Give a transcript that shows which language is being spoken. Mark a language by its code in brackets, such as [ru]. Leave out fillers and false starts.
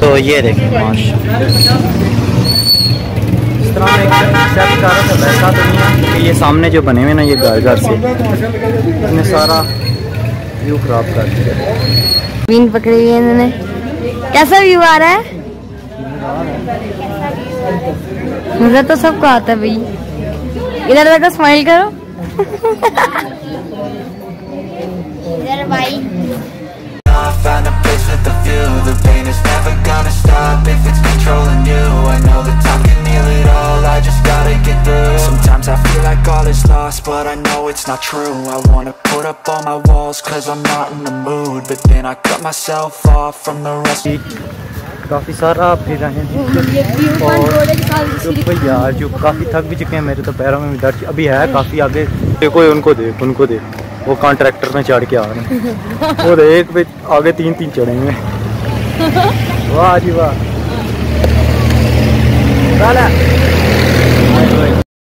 [hi] तो ये देखें तो ये सामने जो बने हुए ना, ये घर घर से इसने सारा व्यू खराब कर दिया। मीन पकड़ी हुई है इन्होंने, कैसा व्यू आ रहा है? मुझे तो सबको आता है भाई, इधर देखो स्माइल करो। इधर भाई [en] find a place with a view, the pain is never gonna stop if it's controlling you. I know the time can heal it all, I just gotta get through. Sometimes I feel like all is lost, but I know it's not true. I wanna put up all my walls cause I'm not in the mood, but then I cut myself off from the rest. [hi] काफी सारा फिर रहे हैं और यार जो काफी थक भी चुके हैं, मेरे तो पैरों में भी दर्द अभी है काफी आगे। देखो उनको देख वो कॉन्ट्रैक्टर में चढ़ के आ रहे हैं, वो देख भी आगे तीन तीन चढ़ेंगे। वाह जी वाह,